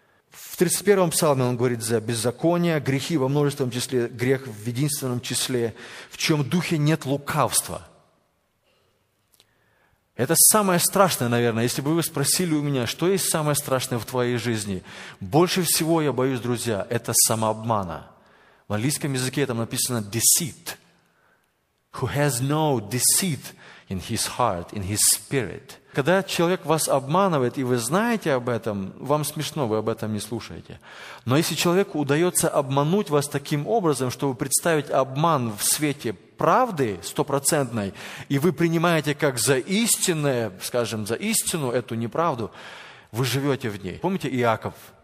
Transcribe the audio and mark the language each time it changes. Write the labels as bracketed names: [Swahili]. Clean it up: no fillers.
[Russian] В 31-м псалме Он говорит за беззаконие, грехи во множественном числе, грех в единственном числе, в чем духе нет лукавства. Это самое страшное, наверное, если бы вы спросили у меня, что есть самое страшное в твоей жизни. Больше всего я боюсь, друзья, это самообмана. В английском языке там написано deceit. [English] Who has no deceit in his heart, in his spirit. [Russian] Когда человек вас обманывает, и вы знаете об этом, вам смешно, вы об этом не слушаете. Но если человеку удается обмануть вас таким образом, чтобы представить обман в свете правды стопроцентной, и вы принимаете как за истинное, скажем, за истину эту неправду, вы живете в ней. Помните Иаков?